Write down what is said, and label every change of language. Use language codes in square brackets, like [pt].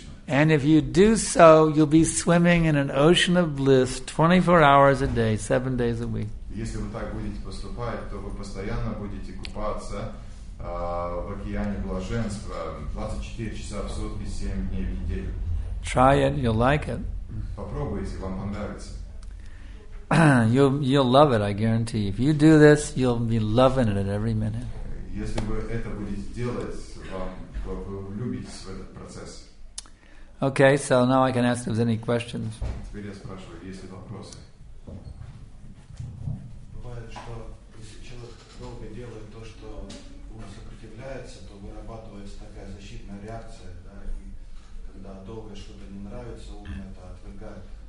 [en] And if you do so, you'll be swimming in an ocean of bliss 24 hours a day, 7 days a week. [ru] Если вы так будете поступать, то вы постоянно будете купаться в океане блаженства 24 часа в сутки, 7 дней в неделю. [en] Try it, you'll like it. [ru] Попробуйте, вам понравится. [en] You'll love it, I guarantee. If you do this, you'll be loving it at every minute. [ru] Если вы это будете делать, вам вы влюбитесь в этот процесс. [en] Okay, so now I can ask if there's any questions. [ru] Теперь я спрашиваю, есть ли вопросы? Бывает, что если человек долго делает то, что ум сопротивляется, то вырабатывается такая защитная реакция, да, и когда долго что-то не нравится, ум это отвергает.